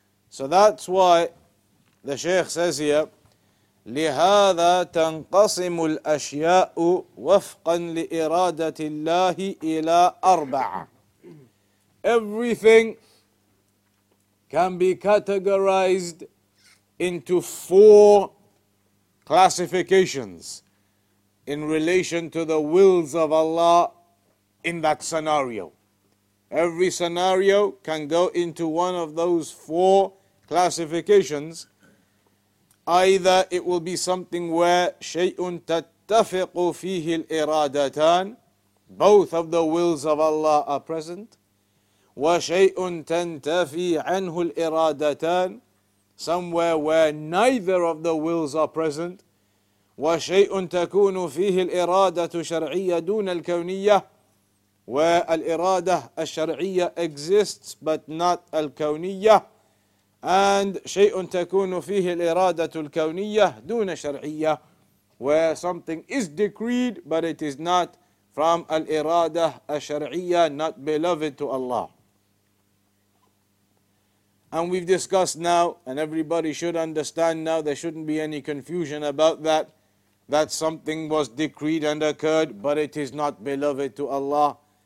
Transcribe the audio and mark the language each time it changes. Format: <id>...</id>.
<en>So that's why the Shaykh says here,</en> <ar>لهذا تنقسم الأشياء وفقا لإرادة الله إلى أربعة.</ar> <en>Everything can be categorized into four classifications in relation to the wills of Allah in that scenario. Every scenario can go into one of those four classifications. Either it will be something where</en> <ar>شَيْءٌ تَتَّفِقُ فِيهِ الْإِرَادَتَانِ,</ar> <en>both of the wills of Allah are present.</en> <ar>وَشَيْءٌ تَنْتَفِي عَنْهُ الْإِرَادَتَانِ,</ar> <en>somewhere where neither of the wills are present.</en> <ar>وَشَيْءٌ تَكُونُ فِيهِ الْإِرَادَةُ شَرْعِيَّةٌ دُونَ الْكَوْنِيَّةِ, where الْإِرَادَةُ الشَّرْعِيَّةُ</ar> <en>exists but not</en> <ar>الْكَوْنِيَّةُ.</ar> <en>And</en> <ar>شيء تكون فيه الإرادة الكونية دون شرعية,</ar> <en>where something is decreed but it is not from</en> <ar>الإرادة الشرعية,</ar> <en>not beloved to Allah. And we've discussed now, and everybody should understand now, there shouldn't be any confusion about that, that something was decreed and occurred but it is not beloved to Allah.</en>